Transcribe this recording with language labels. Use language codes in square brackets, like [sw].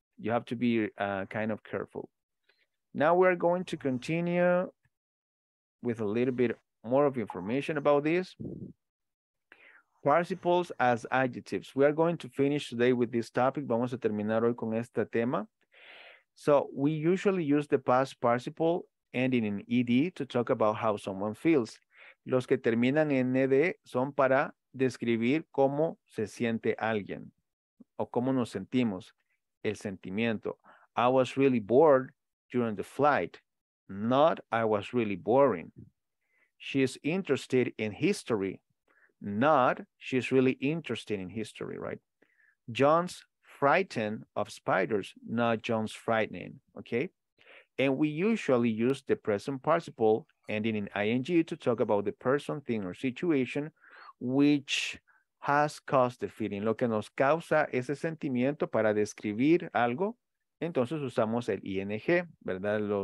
[en] You have to be kind of careful. Now, we're going to continue with a little bit more of information about this. Participles as adjectives. We are going to finish today with this topic. [es] Vamos a terminar hoy con este tema. [en] So we usually use the past participle ending in ed to talk about how someone feels. [es] Los que terminan en ed son para describir cómo se siente alguien o cómo nos sentimos, el sentimiento. [en] I was really bored during the flight. Not, I was really boring. She's interested in history. Not, she's really interested in history, right? John's frightened of spiders. Not, John's frightening, okay? And we usually use the present participle ending in ing to talk about the person, thing, or situation which has caused the feeling. [es] Lo que nos causa ese sentimiento para describir algo, entonces usamos el ing, ¿verdad?